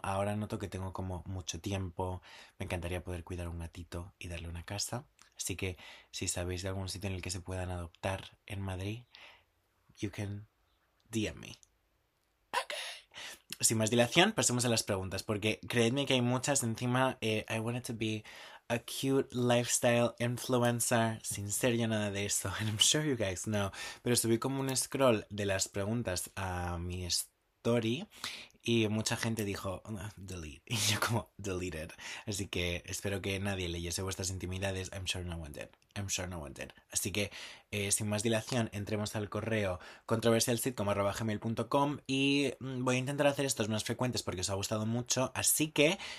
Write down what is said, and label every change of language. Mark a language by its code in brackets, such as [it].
[es] Ahora noto que tengo como mucho tiempo. Me encantaría poder cuidar un gatito y darle una casa. Así que si sabéis de algún sitio en el que se puedan adoptar en Madrid, [en] you can DM me. [es] Sin más dilación, pasemos a las preguntas, porque creedme que hay muchas. Encima, [en] I wanted to be a cute lifestyle influencer, [es] sin ser yo nada de eso, [en] and I'm sure you guys know. [es] Pero subí como un scroll de las preguntas a mi story y mucha gente dijo, delete, y yo como, deleted. Así que espero que nadie leyese vuestras intimidades. [en] I'm sure no one did. I'm sure no one did. [es] Así que, sin más dilación, entremos al correo controversialsitcom@gmail.com y voy a intentar hacer estos más frecuentes porque os ha gustado mucho. Así que,